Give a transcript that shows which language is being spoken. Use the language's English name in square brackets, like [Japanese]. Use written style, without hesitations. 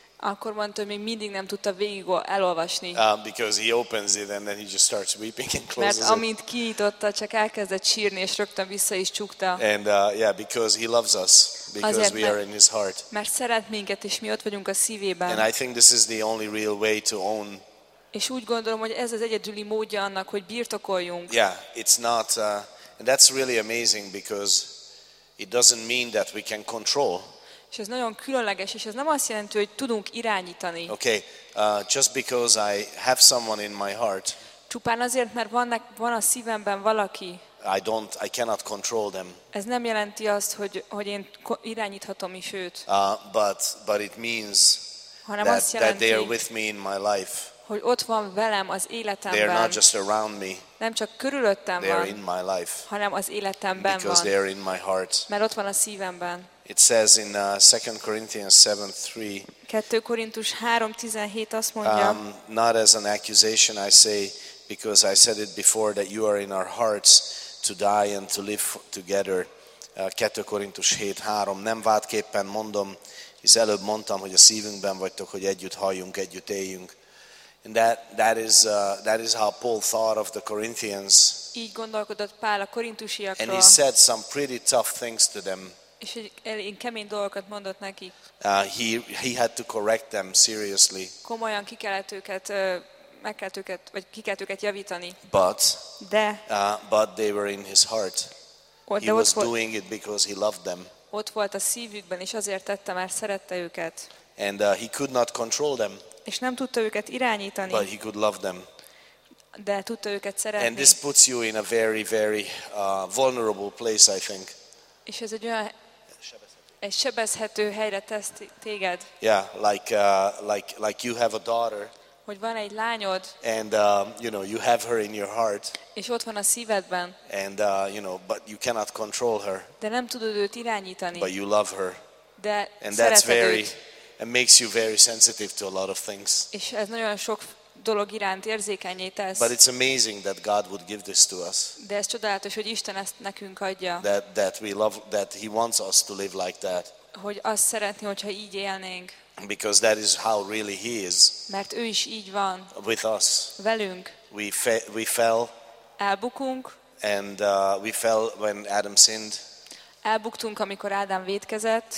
[Hungarian] Akkor mondta, hogy még mindig nem tudta végig elolvasni. [English] Because he opens it and then he just starts weeping and closes it. [Hungarian] Mert amint kinyitotta, csak elkezdett sírni és rögtön vissza is csukta. [English] And yeah, because he loves us, because [Hungarian] azért, [English] we are in his heart. [Hungarian] Mert szeret minket és mi ott vagyunk a szívében. [English] And I think this is the only real way to own. [Hungarian] És úgy gondolom, hogy ez az egyedüli módja annak, hogy birtokoljunk. [English] Yeah, it's not. And that's really amazing because it doesn't mean that we can control. [Hungarian] És ez nagyon különleges, és ez nem azt jelenti, hogy tudunk irányítani. [English] Okay, just because I have someone in my heart. [Hungarian] Csupán azért, mert van a szívemben valaki. [English] I cannot control them. [Hungarian] Ez nem jelenti azt, hogy én irányíthatom is őt. [English] But it means that they are with me in my life. [Hungarian] Hogy ott van velem az életemben. [English] They are not just around me. [Hungarian] Nem csak körülöttem [English] they are [Hungarian] van, [English] in my life, [Hungarian] hanem az életemben [English] because [Hungarian] van. [English] They are in my heart. [Hungarian] Mert ott van a szívemben. [English] It says in 2 Corinthians 7:3. [Hungarian] 2 Korintus 3:17 azt mondja. [English] Not as an accusation I say, because I said it before that you are in our hearts to die and to live together. [Hungarian] 2 Korintus 7:3. Nem vádképpen mondom, hisz előbb mondtam, hogy a szívünkben vagytok, hogy együtt halljunk, együtt éljünk. [English] And that is how Paul thought of the Corinthians. [Hungarian] Így gondolkodott Pál a korintusiakról. [English] And he said some pretty tough things to them. [Hungarian] És elég kemény dolgokat mondott neki. [English] He had to correct them seriously. [Hungarian] Komolyan ki kellett őket meg kellett őket vagy ki kellett őket javítani. [English] But they were in his heart. [Hungarian] Ott, [English] he was doing it because he loved them. [Hungarian] Ott volt a szívükben, és azért tette, mert szerette őket. [English] And he could not control them. [Hungarian] És nem tudta őket irányítani. [English] But he could love them. [Hungarian] De tudta őket szeretni. [English] And this puts you in a very, very vulnerable place, I think. [Hungarian] És ez egy olyan egy sebezhető helyre tesz téged. [English] Yeah, like you have a daughter. [Hungarian] hogy van egy lányod, [English] and you know, you have her in your heart, [Hungarian] és ott van a szívedben, [English] and you know, but you cannot control her, [Hungarian] de nem tudod őt irányítani, [English] but you love her, [Hungarian] de [English] and that's very [Hungarian] őt. [English] It makes you very sensitive to a lot of things, [Hungarian] és ez nagyon sok dolog iránt érzékenyé tesz. [English] But it's amazing that God would give this to us. [Hungarian] De ez csodálatos, hogy Isten ezt nekünk adja. [English] That we love, that he wants us to live like that. [Hungarian] Hogy azt szeretné, hogyha így élnénk. [English] Because that is how really he is. [Hungarian] Mert ő is így van. [English] With us. [Hungarian] Velünk. [English] We fell. [Hungarian] Elbukunk. [English] And we fell when Adam sinned. [Hungarian] Elbuktunk, amikor Ádám vétkezett.